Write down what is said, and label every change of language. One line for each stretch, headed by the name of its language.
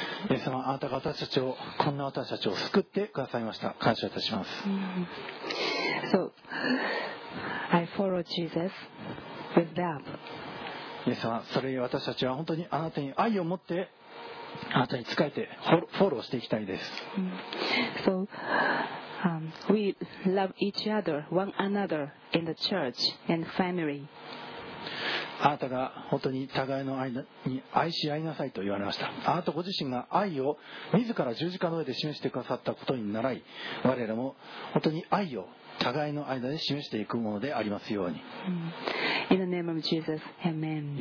Japanese: イエス様、あなたが私たちを、こんな私たちを救ってくださいました。感謝いたします。
English: So, I follow Jesus with love.
Japanese: イエス様、それに私たちは本当にあなたに愛を持って、あなたに仕えてフォローしていきたいです。
English: So,we love each other, one another in the church and family.
Japanese: あなたが本当に互いの愛に愛し合いなさいと言われました。あなたご自身が愛を自ら十字架の上で示してくださったことに習い、我らも本当に愛を互いの間で示していくものでありますように。
English: In the name of Jesus, Amen.